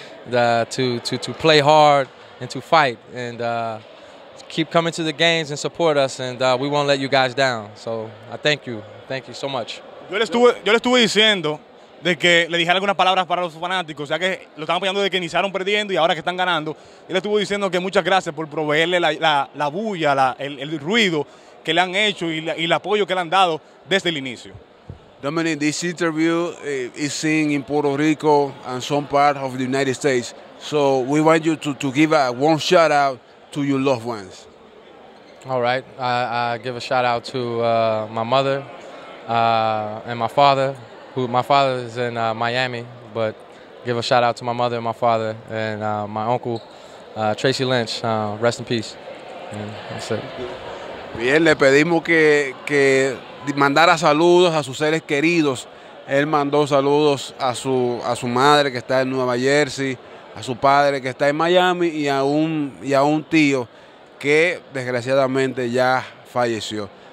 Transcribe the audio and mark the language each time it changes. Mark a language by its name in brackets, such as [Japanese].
[English] To play hard and to fight and keep coming to the games and support us, and we won't let you guys down. So I thank you. Thank you so much. [Spanish] Yo le estuve diciendo de que le dijera algunas palabras para los fanáticos, ya que lo están apoyando desde que iniciaron perdiendo y ahora que están ganando. Yo le estuve diciendo que muchas gracias por proveerle la bulla, el ruido que le han hecho y el apoyo que le han dado desde el inicio. [English] Dominic, this interview is seen in Puerto Rico and some part of the United States. So we want you to give a warm shout out to your loved ones. All right. I give a shout out to my mother and my father. My father is in Miami, but give a shout out to my mother and my father and my uncle, Tracy Lynch. Rest in peace. And that's it. [Spanish] Bien, le pedimos que mandara saludos a sus seres queridos. Él mandó saludos a su madre que está en Nueva Jersey, a su padre que está en Miami y a un tío que desgraciadamente ya falleció.